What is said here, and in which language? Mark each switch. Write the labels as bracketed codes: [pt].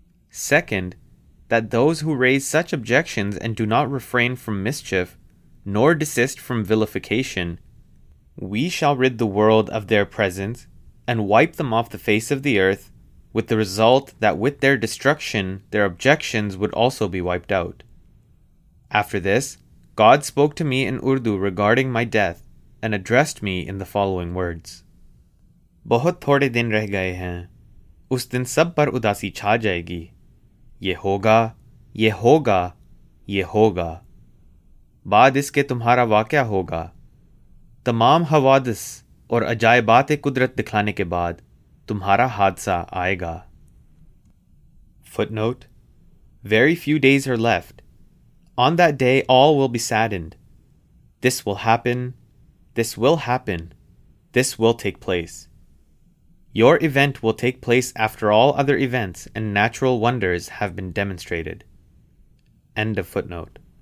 [en] Second, that those who raise such objections and do not refrain from mischief, nor desist from vilification, we shall rid the world of their presence and wipe them off the face of the earth, with the result that with their destruction, their objections would also be wiped out. After this, God spoke to me in Urdu regarding my death and addressed me in the following words. [ur] بہت تھوڑے دن رہ گئے ہیں۔ اس دن سب پر اداسی چھا جائے گی۔ یہ ہوگا، یہ ہوگا، یہ ہوگا۔ بعد اس کے تمہارا واقعہ ہوگا۔ تمام حوادث اور عجائباتِ قدرت دکھانے کے بعد تمہارا حادثہ آئے گا۔ [en] Footnote: very few days are left. On that day all will be saddened. This will happen. This will happen. This will take place. Your event will take place after all other events and natural wonders have been demonstrated. End of footnote.